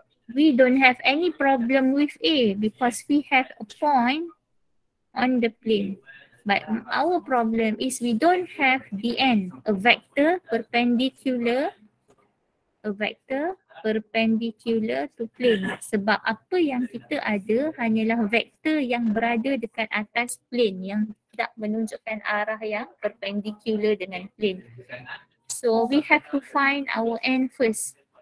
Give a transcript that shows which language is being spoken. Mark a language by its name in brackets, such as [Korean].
[English] We don't have any problem with A because we have a point on the plane. But our problem is we don't have the N, a vector perpendicular to plane. [Malay] Sebab apa yang kita ada hanyalah vektor yang berada dekat atas plane yang tidak menunjukkan arah yang perpendicular dengan plane. [English] So we have to find our N first.